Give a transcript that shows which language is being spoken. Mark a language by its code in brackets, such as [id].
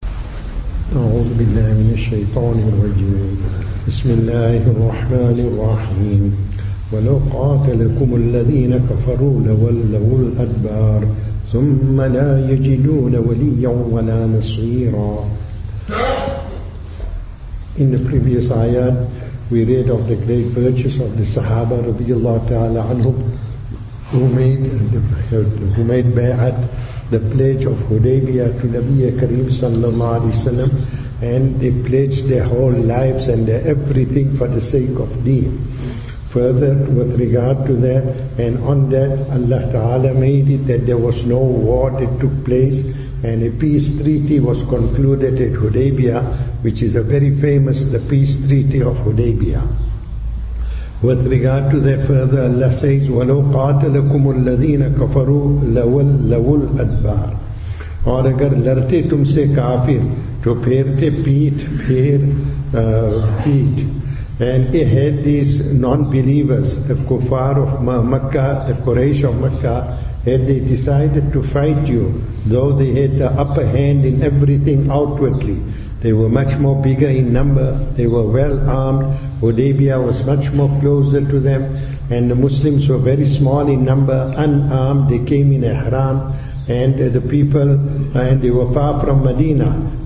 [ar] أعوذ بالله من الشيطان الرجيم. بسم الله الرحمن الرحيم. ولو قاتلكم الذين كفروا لولوا الأدبار ثم لا يجدون وليا ولا نصيرا. [en] In the previous ayat, we read of the great virtues of the Sahaba [ar] رضي الله تعالى عنهم, [en] who made bayat, the pledge of Hudaybiyah to Nabi Kareem sallallahu alaihi wasallam, and they pledged their whole lives and their everything for the sake of deen. Further, with regard to that, and on that, Allah Ta'ala made it that there was no war that took place, and a peace treaty was concluded at Hudaybiyah, which is a very famous, the peace treaty of Hudaybiyah. With regard to that, further, Allah says, [ar] وَلَوْ قَاتَلَكُمُ الَّذِينَ كَفَرُوا لَوَلَّوُ الْأَدْبَارِ. [ur] اور اگر لرتے تم سے کافر تو پھیرتے پیٹ پھیر پیٹ. [en] And they had these non-believers, the kuffar of Makkah, the Quraysh of Makkah, had they decided to fight you, though they had the upper hand in everything outwardly. They were much more bigger in number, they were well armed, Hudaybiyah was much more closer to them, and the Muslims were very small in number, unarmed, they came in ihram, and the people, and they were far from Medina.